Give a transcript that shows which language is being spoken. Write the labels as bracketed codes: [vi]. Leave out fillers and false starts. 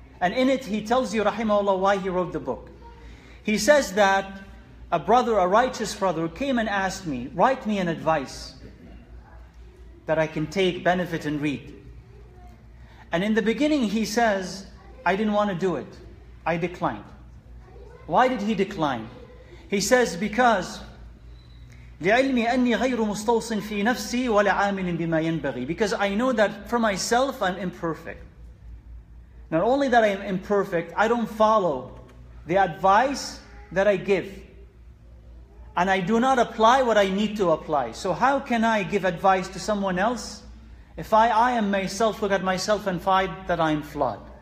[en] And in it, he tells you, rahimahullah, why he wrote the book. He says that a brother, a righteous brother, came and asked me, write me an advice that I can take, benefit, and read. And in the beginning, he says, I didn't want to do it. I declined. Why did he decline? He says, because [ar] لِعِلْمِ أَنِّي غَيْرُ مُسْتَوْصٍ فِي نَفْسِي وَلَا عَامِلٍ بِمَا يَنْبَغِي. [en] Because I know that for myself, I'm imperfect. Not only that I am imperfect, I don't follow the advice that I give. And I do not apply what I need to apply. So how can I give advice to someone else if I am myself, look at myself and find that I am flawed?